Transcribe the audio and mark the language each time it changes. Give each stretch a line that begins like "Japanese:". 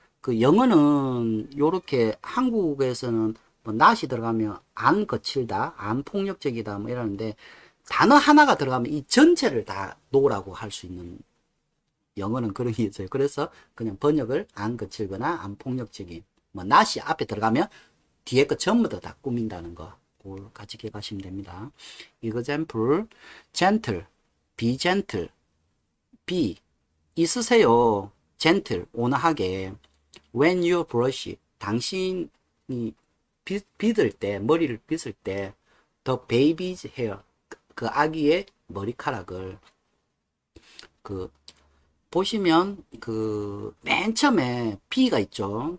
Korean: 그 영어는 요렇게 한국에서는 뭐 not이 들어가면 안 거칠다, 안 폭력적이다 뭐 이러는데 단어 하나가 들어가면 이 전체를 다 노라고 할수 있는 영어는 그런 게 있어요. 그래서 그냥 번역을 안 거칠거나 안 폭력적인. 뭐, not이 앞에 들어가면 뒤에 거 전부 다 꾸민다는 거. 그걸 같이 기억하시면 됩니다.
English: Example, gentle, be gentle, be
Korean: 있으세요. gentle, 온화하게.
English: When you brush,
Korean: 당신이 빗을 때, 머리를 빗을 때,
English: the baby's hair,
Korean: 그 아기의 머리카락을 보시면 그맨 처음에 be가 있죠.